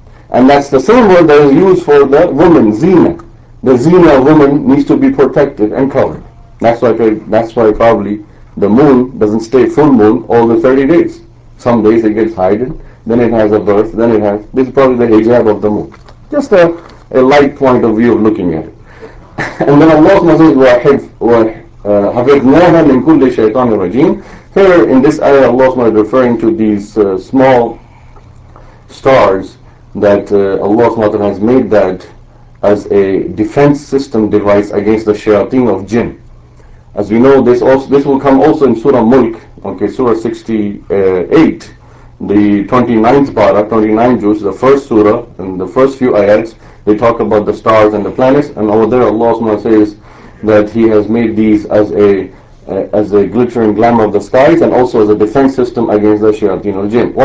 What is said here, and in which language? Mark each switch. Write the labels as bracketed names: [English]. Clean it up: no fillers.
[English] And that's the same word that is used for the woman, zina. The zina of woman needs to be protected and covered. That's why probably the moon doesn't stay full moon all the 30 days. Some days it gets hidden, then it has a birth, then it has, this is probably the hijab of the moon. Just a light point of view of looking at it. And then Allah says, [Arabic] وَحَفِظْنَاهَا مِنْ كُلِّ شَيْطَانِ الرَّجِيمِ. [English] Here in this ayah, Allah is referring to these small stars that Allah has made that as a defense system device against the shayateen of jinn. As we know, this will come also in Surah Mulk, okay, Surah 68, the 29th para, 29 juz, the first surah, and the first few ayats, they talk about the stars and the planets, and over there Allah says that He has made these as a glittering glamour of the skies, and also as a defense system against the shayateen of the jinn.